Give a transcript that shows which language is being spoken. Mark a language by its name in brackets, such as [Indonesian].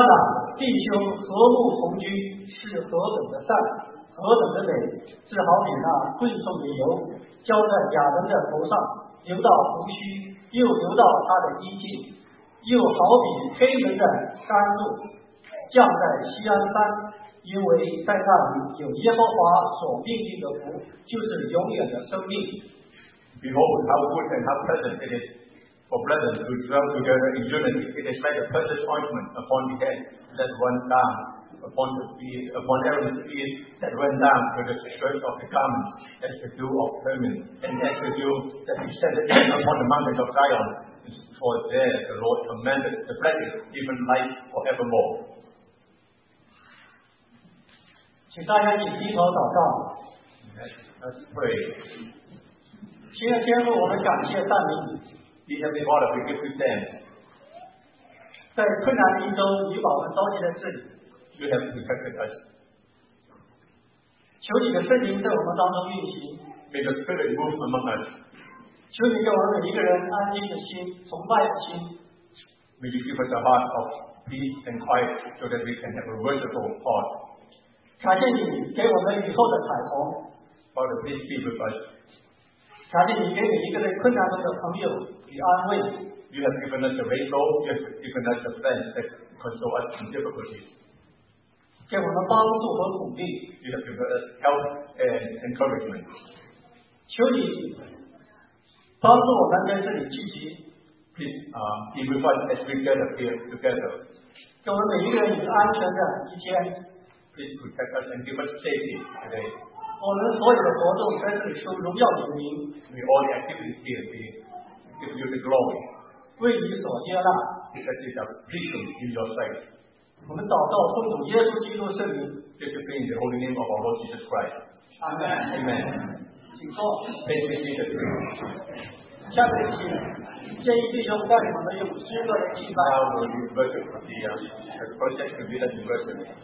[Chinese] 哪，弟兄和睦同居是何等的善，何等的美，是好比那贵重的油浇在亚伦的头上，流到胡须，又流到他的衣襟，又好比黑人的甘露降在锡安山，因为在那里有耶和华所命定的福，就是永远的生命。 [English] Behold how good and how pleasant it is for brothers who dwell together in unity. It is like a precious ointment upon the head that went down upon the feet, upon Aaron's feet that went down to the skirt of the garment, as the dew of Hermon, and as the dew that descended upon the mountain of Zion. For there the Lord commanded the blessing, even life forevermore. [Chinese] 请大家一起低头祷告。 [English] Let's pray. [Chinese] 亲爱的天父，我们感谢赞美你。 [English] Dear Heavenly Father, we give you thanks. [Chinese] 在困难之中，你把我们召集在这里。 [English] You have protected us. [Chinese] 求你的圣灵在我们当中运行。 [English] May the Spirit move among us. [Chinese] 求你给我们每一个人安静的心，崇拜的心。 [English] May you give us a heart of peace and quiet so that we can have a worshipful heart. [Chinese] 感谢你给我们以后的彩虹。 [English] Father, please be with us. [Chinese] 感谢你给每一个在困难中的朋友以安慰。 [English] You have given us a rainbow, you have given us a friend that console us in difficulties. [Chinese] 给我们帮助和鼓励。 [English] You have given us help and encouragement. [Chinese] 求你帮助我们在这里聚集。 [English] Please, be with us as we gather here together. [Chinese] 给我们每一个人以安全的一天。 [English] Please protect us and give us safety today. [Chinese] 我们所有的活动在这里求荣耀你的名。 [English] We all the activities here be give you the glory. [Chinese] 为你所接纳。 [English] Because it's a blessing in your sight. [Chinese] 我们祷告奉主耶稣基督圣名。 [English] This is in the holy name of our Lord Jesus Christ. Amen. Amen. [Chinese] 请坐。 [English] Please be seated. [Chinese] 下面请建议弟兄带领我们用诗歌来敬拜。 [English] Now we worship the project to be the worship.